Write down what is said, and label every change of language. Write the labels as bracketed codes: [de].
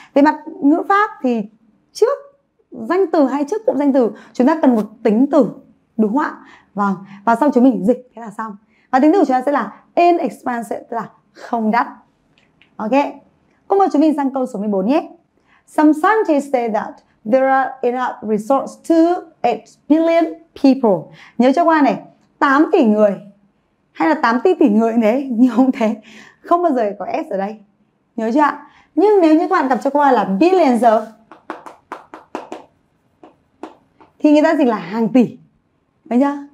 [vi] Về mặt ngữ pháp thì trước danh từ hay trước cụm danh từ chúng ta cần một tính từ. Đúng không ạ? Vâng. Và sau chúng mình dịch thế là xong. Và tính từ của chúng ta sẽ là inexpensive, tức là không đắt. Ok. Cô mời chúng mình sang câu số 14 nhé. [en] Some scientists say that there are enough resources to 8 billion people. [vi] Nhớ cho qua này, 8 tỷ người hay là 8 tỷ tỷ người đấy, nhiều không thế. Không bao giờ có S ở đây. Nhớ chưa ạ? Nhưng nếu như các bạn đọc cho qua là billions of thì người ta dịch là hàng tỷ. Đấy chưa?